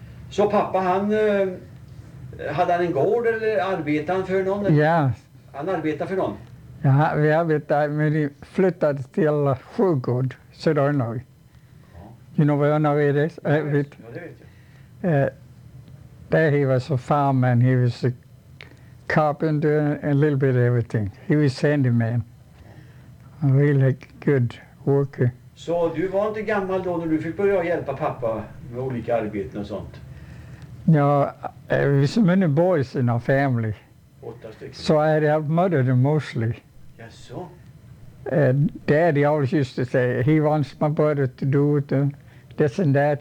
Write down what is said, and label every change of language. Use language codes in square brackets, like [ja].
[sv] Så pappa han hade en gård eller arbetade han för någon? Ja. Yeah. Han arbetade för någon. Ja, vi arbetade, men vi flyttade till Sjögård, södra Örnary. Ja. [en] You know where Örnary it is? [sv] Ja, det vet jag. [en] There he was a farmman, he was a carpenter and a little bit of everything. He was a handyman. A really good worker. [sv] Så du var inte gammal då när du fick börja hjälpa pappa med olika arbeten och sånt? [en] Ja, there were so many boys in our family. So I had helped mother them mostly. Yes, so. Daddy always used to say he wants my brother to do it, this and that.